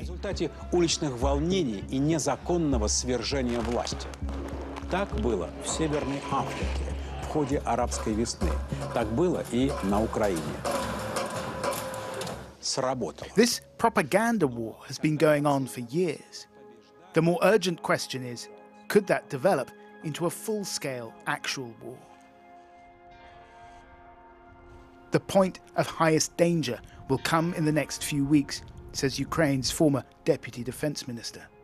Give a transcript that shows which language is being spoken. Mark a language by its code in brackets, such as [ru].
[ru] В результаті уличних волнений і незаконного свержения власти. Так было в Северной Африке в ходе арабской весны. Так было и на Украине. Сработало. [en] This propaganda war has been going on for years. The more urgent question is, could that develop into a full-scale actual war? The point of highest danger will come in the next few weeks, says Ukraine's former deputy defense minister.